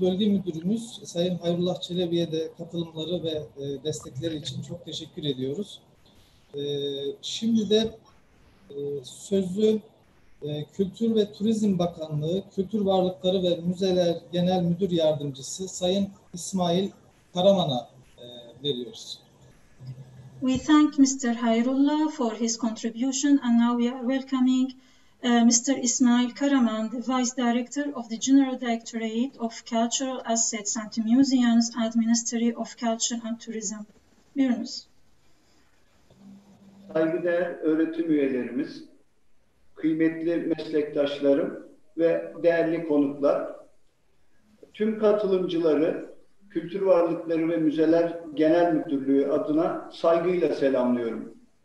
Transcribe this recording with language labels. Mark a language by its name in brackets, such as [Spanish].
[Turkish] Bölge Müdürümüz Sayın Hayrullah Çelebi'ye de katılımları ve destekleri için çok teşekkür ediyoruz. Şimdi de sözü Kültür ve Turizm Bakanlığı Kültür Varlıkları ve Müzeler Genel Müdür Yardımcısı Sayın İsmail Karaman'a veriyoruz. [English] We thank Mr. Hayrullah for his contribution and now we are welcoming Mr. İsmail Karaman, the Vice Director of the General Directorate of Cultural Assets and Museums at Ministry of Culture and Tourism. [Turkish] Buyurunuz. Saygıdeğer öğretim üyelerimiz, kıymetli meslektaşlarım ve değerli konuklar, tüm katılımcıları Kültür Varlıkları ve Müzeler Genel Müdürlüğü adına saygıyla selamlıyorum.